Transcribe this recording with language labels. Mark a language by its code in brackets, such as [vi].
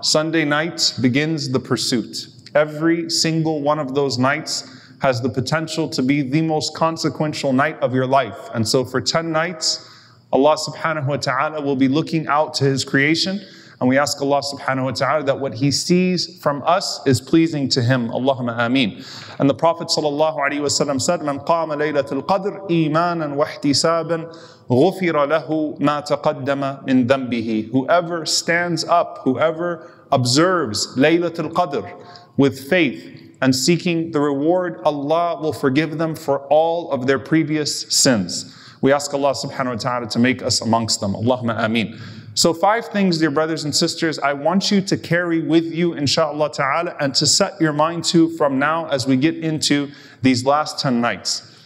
[en] Sunday night begins the pursuit. Every single one of those nights has the potential to be the most consequential night of your life. And so for 10 nights, Allah subhanahu wa ta'ala will be looking out to His creation. And we ask Allah subhanahu wa ta'ala that what He sees from us is pleasing to Him. Allahumma ameen. And the Prophet [ar] sallallahu alayhi wa sallam said, مَنْ قَامَ لَيْلَةِ الْقَدْرِ إِيمَانًا وَاحْتِسَابًا غُفِرَ لَهُ مَا تَقَدَّمَ مِنْ ذَنْبِهِ. [en] Whoever stands up, whoever observes Laylatul Qadr with faith and seeking the reward, Allah will forgive them for all of their previous sins. We ask Allah subhanahu wa ta'ala to make us amongst them. Allahumma ameen. So five things, dear brothers and sisters, I want you to carry with you, insha'Allah ta'ala, and to set your mind to from now as we get into these last 10 nights.